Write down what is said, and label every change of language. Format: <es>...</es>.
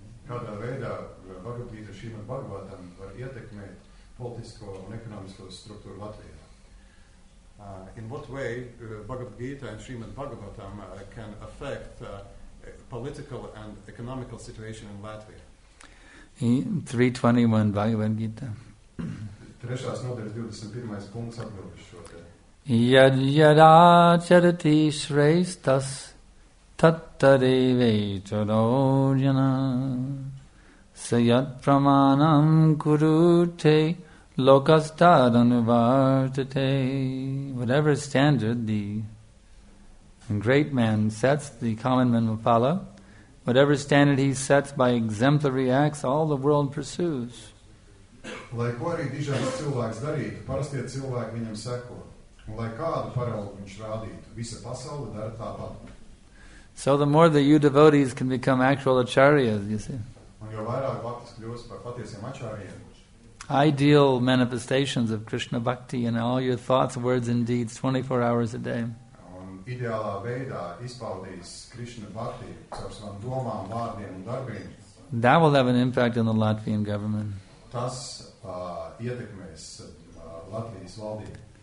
<lv>Kādā veidā Bhagavad-gītā Šrīmad Bhagavatam var ietekmēt politisko un ekonomisko struktūru Latvijā?</lv> <en>In what way Bhagavad-gītā and Šrīmad Bhagavatam can affect political and economical situation in Latvia?</en> <lv>321 Bhagavad-gītā. Trešās nodaļas 21. Punkts atbildes šo te.</lv> <sa>Yad yadā charati shreistas tattare vecharojana Sayat pramanam kuru te lokastad anuvartate.</sa> <en>Whatever standard the great man sets, the common man will follow. Whatever standard he sets by exemplary acts, all the world pursues.</en> <lv>Lai ko arī dižāks cilvēks darītu, parastie cilvēki viņam seko. Un lai kādu paraugu viņš rādītu, visa pasaule dara tāpat.</lv> <en>So the more that you devotees can become actual acharyas, you see.</en> <lv>Un jo vairāk bhaktis kļūst par patiesiem acharyiem.</lv> <en>Ideal manifestations of Krishna bhakti in all your thoughts, words and deeds 24 hours a day.</en> <lv>Un ideālā veidā izpaudīs Krishna bhakti caur savām domām, vārdiem un darbiem.</lv> <en>That will have an impact on the Latvian government.</en> <lv>Tas ietekmēs Latvijas valdību.</lv>